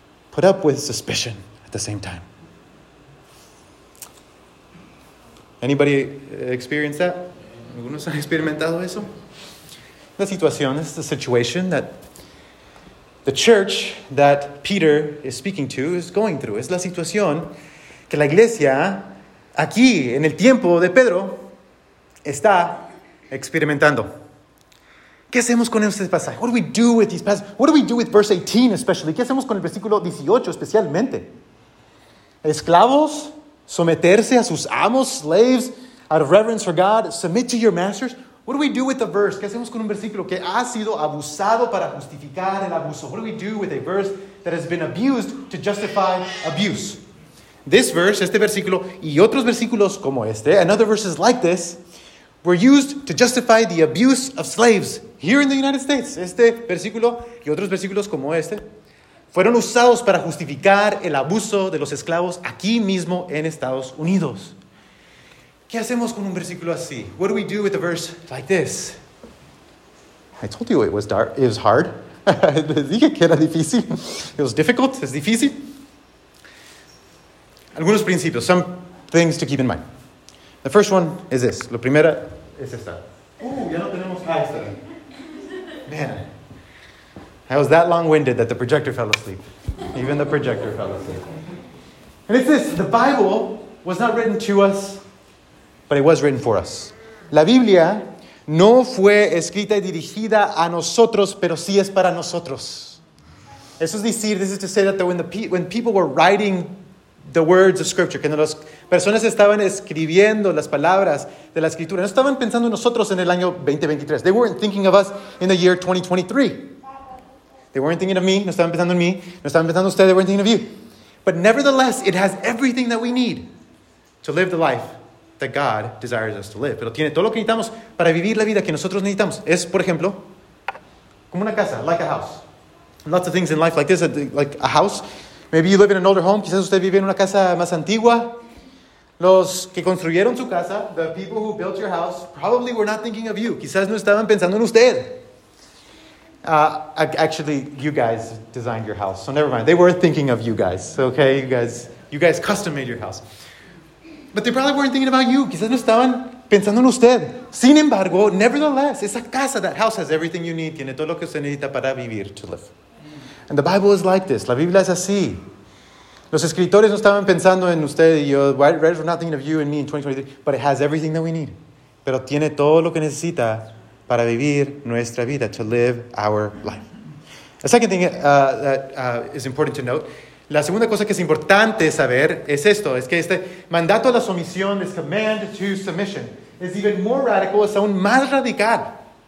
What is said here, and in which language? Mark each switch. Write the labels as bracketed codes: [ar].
[en] Put up with suspicion at the same time. Anybody experience that? [es] ¿Algunos han experimentado eso? La situación, [en] this is the situation that the church that Peter is speaking to is going through. [es] Es la situación que la iglesia aquí en el tiempo de Pedro está experimentando. ¿Qué hacemos con este pasaje? [en] What do we do with these passages? What do we do with verse 18 especially? [es] ¿Qué hacemos con el versículo 18 especialmente? Esclavos, someterse a sus amos, [en] slaves, out of reverence for God, submit to your masters. What do we do with the verse? [es] ¿Qué hacemos con un versículo que ha sido abusado para justificar el abuso? [en] What do we do with a verse that has been abused to justify abuse? This verse, [es] este versículo, y otros versículos como este, [en] and other verses like this, were used to justify the abuse of slaves here in the United States. [es] Este versículo y otros versículos como este fueron usados para justificar el abuso de los esclavos aquí mismo en Estados Unidos. ¿Qué hacemos con un versículo así? [en] What do we do with a verse like this? I told you it was hard. [es] Les dije que era difícil. [en] It was difficult. [es] Es difícil. Algunos principios. [en] Some things to keep in mind. The first one is this. [es] La primera es esta. Ya no tenemos esta. [en] Man. I was that long-winded that the projector fell asleep. Even the projector fell asleep. And it's this. The Bible was not written to us, but it was written for us. [es] La Biblia no fue escrita y dirigida a nosotros, pero sí es para nosotros. Eso es decir, [en] this is to say that when people were writing the words of Scripture, [es] cuando las personas estaban escribiendo las palabras de la Escritura, no estaban pensando en nosotros en el año 2023. [en] They weren't thinking of us in the year 2023. They weren't thinking of me. [es] No estaban pensando en mí. No estaban pensando en usted. [en] They weren't thinking of you. But nevertheless, it has everything that we need to live the life that God desires us to live. [es] Pero tiene todo lo que necesitamos para vivir la vida que nosotros necesitamos. Es, por ejemplo, como una casa, [en] like a house. And lots of things in life like this, like a house. Maybe you live in an older home. [es] Quizás usted vive en una casa más antigua. Los que construyeron su casa, [en] the people who built your house, probably were not thinking of you. [es] Quizás no estaban pensando en usted. [en] Actually, you guys designed your house, so never mind. They weren't thinking of you guys, okay? You guys custom made your house. But they probably weren't thinking about you. [es] Quizás no estaban pensando en usted. Sin embargo, [en] nevertheless, [es] esa casa, [en] that house has everything you need. [es] Tiene todo lo que usted necesita para vivir, [en] to live. And the Bible is like this. [es] La Biblia es así. Los escritores no estaban pensando en usted y yo. [en] Writers were not thinking of you and me in 2023. But it has everything that we need. [es] Pero tiene todo lo que necesita para vivir nuestra vida, [en] to live our life. The second thing that is important to note [es] La segunda cosa que es importante saber es esto, es que este mandato a la sumisión, [en] this command to submission, [es] is even more radical, es aún más radical.